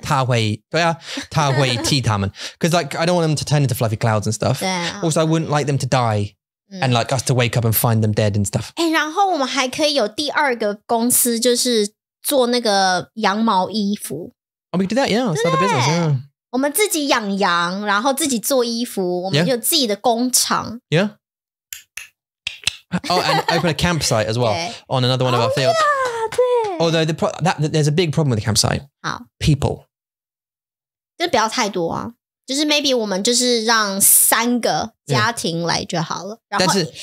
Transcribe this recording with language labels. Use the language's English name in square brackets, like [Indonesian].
[Chinese] 他会对啊他会替他们 [English] Because like I don't want them to turn into fluffy clouds and stuff [Chinese] 对 [English] Also I wouldn't like them to die、嗯、And like us to wake up and find them dead and stuff [Chinese] 诶然后我们还可以有第二个公司就是做那个羊毛衣服 [English] Oh we can do that yeah start the business yeah [Chinese] 我们自己养羊然后自己做衣服我们有自己的工厂 [English] Yeah, yeah. Oh and open a campsite as well On another one of our fields、 oh, yeah. Although there's a big problem with the campsite. People. [Chinese] 就不要太多啊。就是 maybe 我们就是让三个家庭来就好了。但是